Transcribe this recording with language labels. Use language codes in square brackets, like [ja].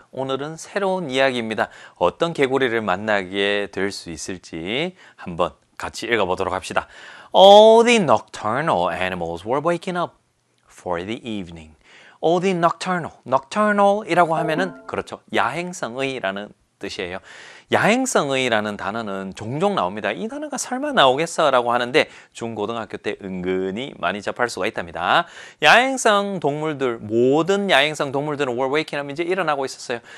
[ko] 오늘은 새로운 이야기입니다. 어떤 개구리를 만나게 될 수 있을지 한번 같이 읽어보도록 합시다. [en] All the nocturnal animals were waking up for the evening. All the nocturnal, nocturnal [ko] 이라고 하면은 그렇죠. 야행성의라는 뜻이에요. 야행성의라는 단어는 종종 나옵니다. 이 단어가 설마 나오겠어라고 하는데 중고등학교 때 은근히 많이 접할 수가 있답니다. 야행성 동물들, 모든 야행성 동물들은 [en] were waking up, [ko] 이제 일어나고 있었어요.